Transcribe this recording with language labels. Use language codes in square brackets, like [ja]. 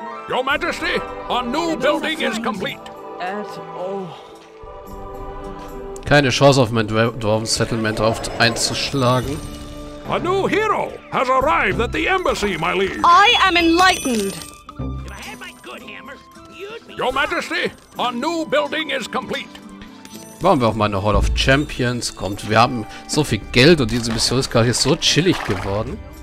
[en] Your Majesty, a new building is complete. [de] Keine Chance auf mein Dwarven Settlement auf einzuschlagen. [en] A new hero has arrived at the embassy, my liege. I am enlightened. Your Majesty, a new building is complete. [de] Bauen wir auch mal eine Hall of Champions. Kommt, wir haben so viel Geld und diese Mission ist gerade so chillig geworden.